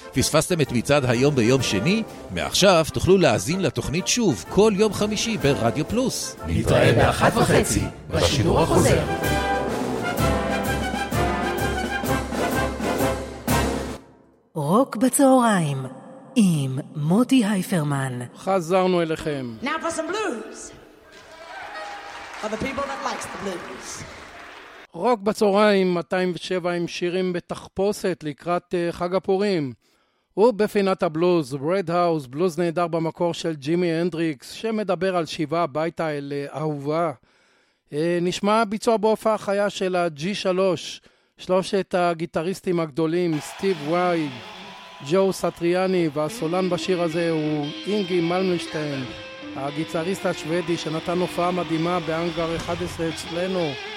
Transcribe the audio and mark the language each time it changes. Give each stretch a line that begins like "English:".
Hebrew: פספסתם את מצעד היום ביום שני? מעכשיו תוכלו להאזין לתוכנית שוב כל יום חמישי ברדיו פלוס. נתראה באחת וחצי בשידור החוזר. רוק בצהריים עם מוטי הייפרמן. חזרנו אליכם.
English: Now for some blues for the people that likes the blues.
Hebrew: רוק בצהריים, 207 עם שירים בתחפושת לקראת חג הפורים. ובפינת הבלוז, רד האוס, בלוז נהדר במקור של ג'ימי הנדריקס, שמדבר על שיבה הביתה אל אהובה. נשמע ביצוע בהופעה חיה של ה-G3, שלושת הגיטריסטים הגדולים, סטיב וואי, ג'ו סטריאני, והסולן בשיר הזה הוא אינגי מלמנשטיין, הגיטריסט השוודי שנתן הופעה מדהימה באנגר 11 אצלנו.